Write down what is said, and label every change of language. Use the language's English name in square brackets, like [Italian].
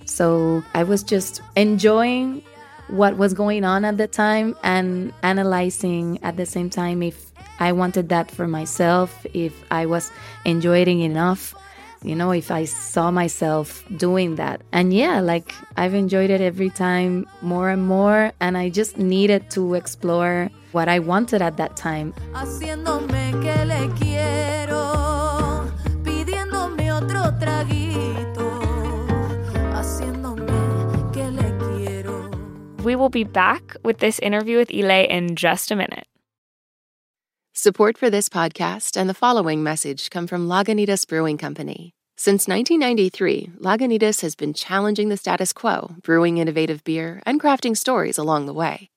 [English] So I was just enjoying what was going on at the time and analyzing at the same time if I wanted that for myself, if I was enjoying enough, you know, if I saw myself doing that. And yeah, like, I've enjoyed it every time more and more, and I just needed to explore what I wanted at that time. [Spanish] Haciéndome que le quiero, pidiéndome otro traguito. Haciéndome que le quiero. [English] We will be back with this interview with iLe in just a minute. Support for this podcast and the following message come from Lagunitas Brewing Company. Since 1993, Lagunitas has been challenging the status quo, brewing innovative beer, and crafting stories along the way.